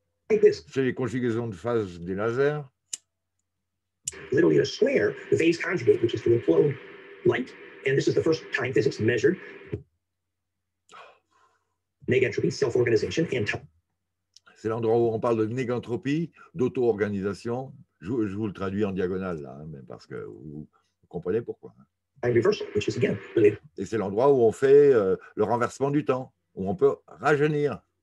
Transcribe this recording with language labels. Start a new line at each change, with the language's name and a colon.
French: C'est les conjugaisons de phase des lasers.
English: Literally in a square, the phase conjugate, which is to implode light, and this is the first time physics measured negentropy, self-organization, and time.
French: C'est l'endroit où on parle de négentropie, d'auto-organisation. Je vous le traduis en diagonale là, hein, parce que vous comprenez pourquoi. Et c'est l'endroit où on fait le renversement du temps, où on peut rajeunir.